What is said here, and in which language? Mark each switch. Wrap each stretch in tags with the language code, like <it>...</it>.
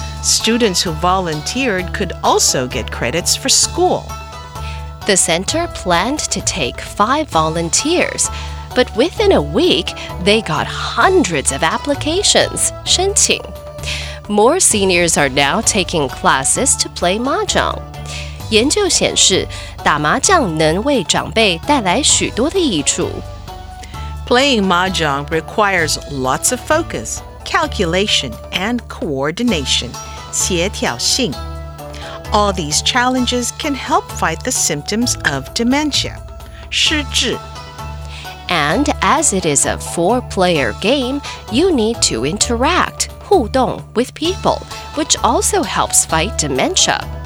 <en>Students who volunteered could also get credits for school. The center planned to take 5 volunteers, but within a week, they got hundreds of applications, 申请. More seniors are now taking classes to play Mahjong.</en> <zh>研究显示,打麻将能为长辈带来许多的益处。</zh> <en>Playing Mahjong requires lots of focus, calculation, and coordination. 协调性.All these challenges can help fight the symptoms of dementia. 失智. And as it is a four-player game, you need to interact, 互动, with people, which also helps fight dementia.</en>